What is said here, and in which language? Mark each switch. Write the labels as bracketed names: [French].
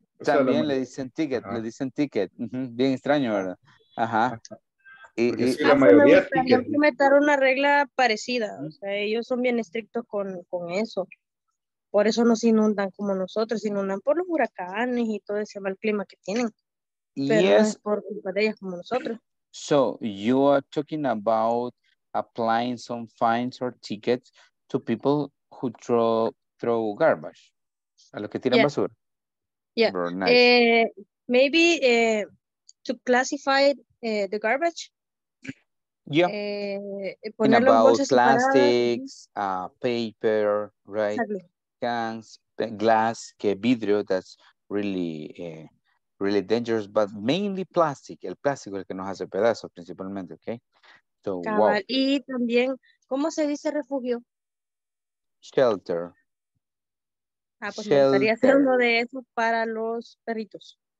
[Spanish] O también sea, le dicen ticket. Uh-huh. Bien extraño, ¿verdad? Ajá. Y la mayoría me gustaría implementar una regla parecida. O sea, ellos son bien estrictos con eso. Por eso no se inundan como nosotros. Se inundan por los huracanes y todo ese mal clima que tienen. Pero yes. No es por culpa de ellas como nosotros. [English] So, you are talking about applying some fines or tickets to people who throw garbage, [Spanish] a los que tiran basura. [English] Yeah. Very nice. Maybe to classify the garbage. Yeah. In about plastics, paper, right? Exactly. Cans, glass, [Spanish] que vidrio, [English] that's really, really dangerous, but mainly plastic. [Spanish] El plástico es el que nos hace pedazos principalmente, okay? [English] So, wow. [Spanish] Y también, ¿cómo se dice refugio? [English] Shelter. [Spanish] Ah, pues shelter. Me gustaría hacer uno de esos para los perritos.